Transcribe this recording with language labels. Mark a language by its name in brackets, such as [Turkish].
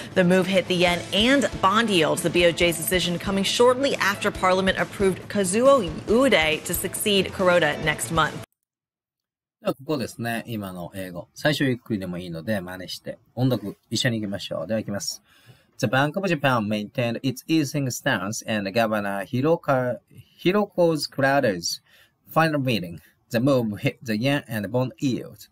[English] The move hit the yen and bond yields, the BOJ's decision coming shortly after Parliament approved Kazuo Ueda to succeed Kuroda next month. [Japanese] ではここですね、今の英語。最初ゆっくりでもいいので、真似して音読一緒に行きましょう。では行きます。 [English] The Bank of Japan maintained its easing stance and Governor Hiroko Kuroda's final meeting. The move hit the yen and bond yield.